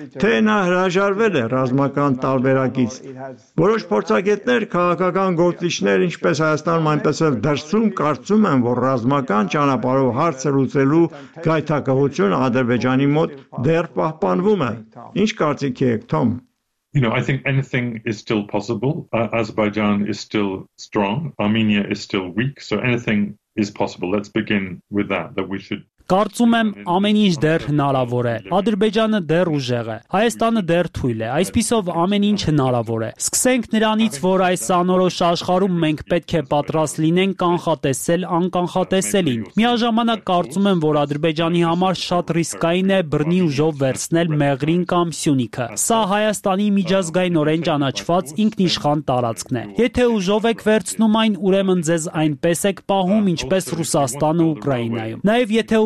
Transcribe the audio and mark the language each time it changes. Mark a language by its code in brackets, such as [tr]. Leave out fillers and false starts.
[hy] թե նա հրաժարվել է ռազմական տարբերակից։ Որոշ փորձագետներ, քաղաքական գործիչներ, ինչպես Հայաստանում, այնպես էլ դրսում կարծում են, որ ռազմական ճանապարհով հարցը լուծելու գայթակղությունը Ադրբեջանի մոտ դեռ պահպանվում է։ Ինչ կարծիք եք, Թոմ։ [en] You know, I think anything is still possible. Azerbaijan is still strong. Armenia is still weak. So anything is possible. Let's begin with that, that we should... [hy] Կարծում եմ, ամեն ինչ դեռ հնարավոր է։ Ադրբեջանը դեռ ուժեղ է, Հայաստանը դեռ թույլ է, այսպիսով ամեն ինչ հնարավոր է։ Սկսենք նրանից, որ այս անորոշ աշխարհում մենք պետք է պատրաստ լինենք կանխատեսել անկանխատեսելին։ Միաժամանակ կարծում եմ, որ Ադրբեջանի համար շատ ռիսկային է բռնի ուժով վերցնել Մեղրին կամ Սյունիքը։ Սա Հայաստանի միջազգային օրեն ճանաչված ինքնիշխան տարածքն է։ Եթե ուժով եք վերցնում այն, ուրեմն ձեզ այնպես եք պահում, ինչպես Ռուսաստանը Ուկրաինայում։ Նաև եթե